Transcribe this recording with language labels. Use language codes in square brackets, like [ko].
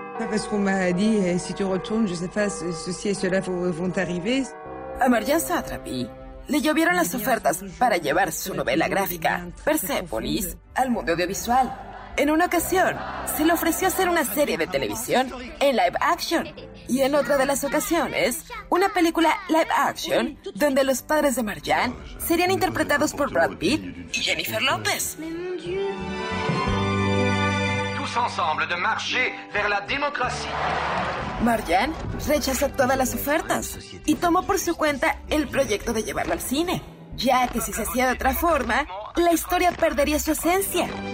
[fr] Parce qu'on m'a dit, si tu retournes, je sais pas, ceci et cela vont arriver. [es] A Marianne Satrapi le llovieron las ofertas para llevar su novela gráfica Persepolis al mundo audiovisual. En una ocasión, se le ofreció hacer una serie de televisión en live action. Y en otra de las ocasiones, una película live action donde los padres de Marianne serían interpretados por Brad Pitt y Jennifer Lopez. [fr] Tous ensemble de marcher vers la démocratie. [es] Marianne rechazó todas las ofertas y tomó por su cuenta el proyecto de llevarlo al cine, ya que si se hacía de otra forma, la historia perdería su esencia.